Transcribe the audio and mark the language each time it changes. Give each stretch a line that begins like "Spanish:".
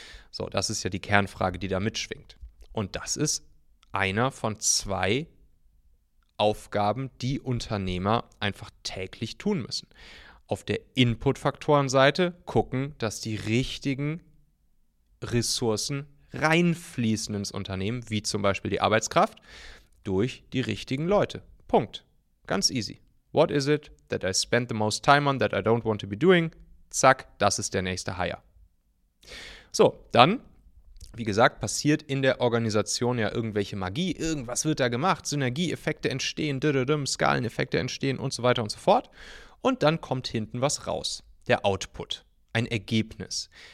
German: So, das ist ja die Kernfrage, die da mitschwingt. Und das ist einer von zwei Aufgaben, die Unternehmer einfach täglich tun müssen. Auf der Input-Faktoren-Seite gucken, dass die richtigen Ressourcen reinfließen ins Unternehmen, wie zum Beispiel die Arbeitskraft, durch die richtigen Leute. Punkt. Ganz easy.
English: What is it that I spend the most time on that I don't want to be doing?
German: Zack, das ist der nächste Hire. So, dann, wie gesagt, passiert in der Organisation ja irgendwelche Magie. Irgendwas wird da gemacht. Synergieeffekte entstehen, Skaleneffekte entstehen und so weiter und so fort. Und dann kommt hinten was raus. Der Output. Ein Ergebnis.